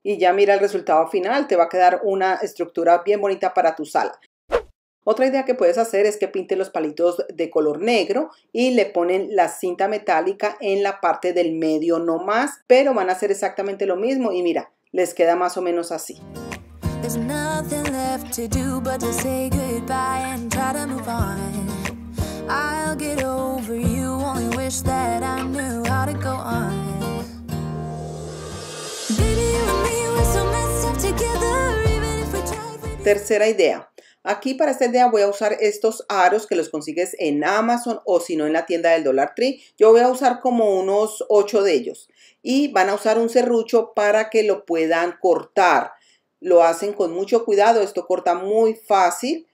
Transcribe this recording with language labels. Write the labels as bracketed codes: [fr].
[es] Y ya mira el resultado final, te va a quedar una estructura bien bonita para tu sala. Otra idea que puedes hacer es que pinte los palitos de color negro y le ponen la cinta metálica en la parte del medio no más, pero van a hacer exactamente lo mismo y mira, les queda más o menos así. [en] There's nothing left to do but to say goodbye and try to move on. I'll get over you, only wish that I knew how to go on. Baby, you and me were so messed up together, even if we tried, baby. [es] Tercera idea. Aquí para esta idea voy a usar estos aros que los consigues en Amazon o si no en la tienda del Dollar Tree. Yo voy a usar como unos 8 de ellos y van a usar un serrucho para que lo puedan cortar. Lo hacen con mucho cuidado, esto corta muy fácil.